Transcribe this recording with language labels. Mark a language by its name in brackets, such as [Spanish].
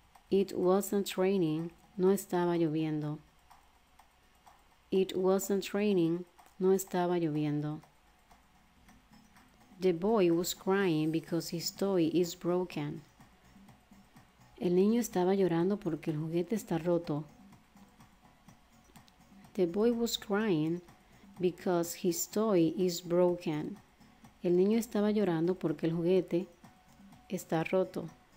[English] It wasn't raining. [Spanish] No estaba lloviendo. [English] It wasn't raining. [Spanish] No estaba lloviendo. [English] The boy was crying because his toy is broken. [Spanish] El niño estaba llorando porque el juguete está roto. [English] The boy was crying because his toy is broken. [Spanish] El niño estaba llorando porque el juguete está roto.